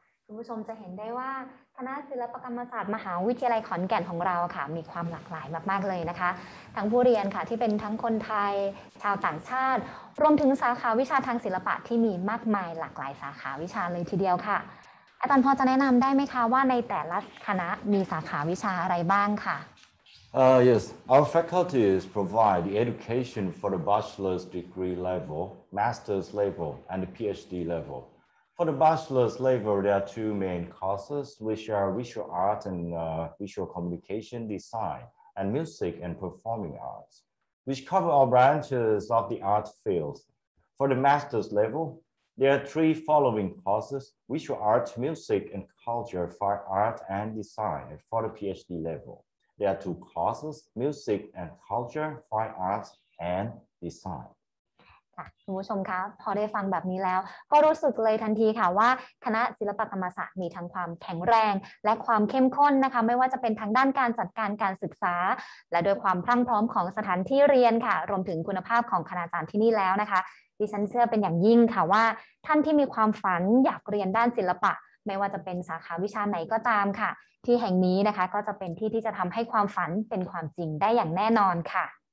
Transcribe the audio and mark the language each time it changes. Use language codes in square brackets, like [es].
[th] ณผู้ชมจะเห็นได้ว่าคณะศิลปกรรมศาสตร์มหาวิทยาลัยขอนแก่นของเราค่ะมีความหลากหลายมากๆเลยนะคะทั้งผู้เรียนค่ะที่เป็นทั้งคนไทยชาวต่างชาติรวมถึงสาขาวิชาทางศิลปะที่มีมากมายหลากหลายสาขาวิชาเลยทีเดียวค่ะอาจารย์พอจะแนะนำได้ไหมคะว่าในแต่ละคณะมีสาขาวิชาอะไรบ้างค่ะ [en] Yes, our faculties provide the education for the bachelor's degree level, master's level, and PhD level. For the bachelor's level, there are two main courses, which are visual art and visual communication design, and music and performing arts, which cover all branches of the art fields. For the master's level, there are three following courses, visual art, music, and culture, fine art and design, for the PhD level. There are two courses, music and culture, fine arts and design. [th] ค่ะคุณผู้ชมคะพอได้ฟังแบบนี้แล้วก็รู้สึกเลยทันทีค่ะว่าคณะศิลปกรรมศาสตร์มีทั้งความแข็งแรงและความเข้มข้นนะคะไม่ว่าจะเป็นทางด้านการจัดการการศึกษาและด้วยความพรั่งพร้อมของสถานที่เรียนค่ะรวมถึงคุณภาพของคณาจารย์ที่นี่แล้วนะคะดิฉันเชื่อเป็นอย่างยิ่งค่ะว่าท่านที่มีความฝันอยากเรียนด้านศิลปะไม่ว่าจะเป็นสาขาวิชาไหนก็ตามค่ะที่แห่งนี้นะคะก็จะเป็นที่ที่จะทำให้ความฝันเป็นความจริงได้อย่างแน่นอนค่ะ